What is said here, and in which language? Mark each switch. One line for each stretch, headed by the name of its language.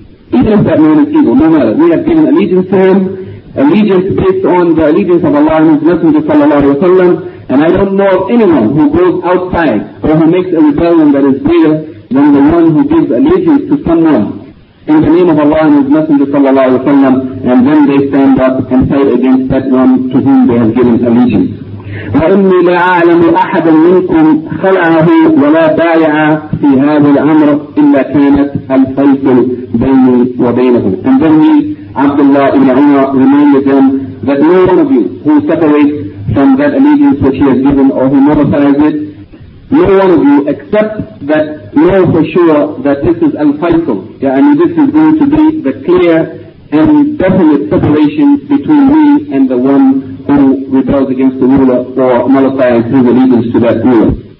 English: Even if that man is evil, no matter. We have given allegiance to him, allegiance based on the allegiance of Allah and His Messenger, sallallahu alayhi wa sallam. And I don't know of anyone who goes outside or who makes a rebellion that is greater than the one who gives allegiance to someone in the name of Allah and His Messenger, sallallahu alayhi wa sallam, and then they stand up and fight against that one to whom they have given allegiance.
Arabic: وإني لا أعلم أحدا منكم خلعه ولا بايع في هذا الأمر إلا كانت الفيض بيني وبينه.
English: And then he, Abdullah ibn Umar, reminded them that no one of you who separates from that allegiance which he has given or who modifies it, no one of you except that know for sure that this is al-fayd, yeah, and this is going to be the clear and definite separation between me and the one who rebels against the ruler or nullifies his allegiance to that ruler.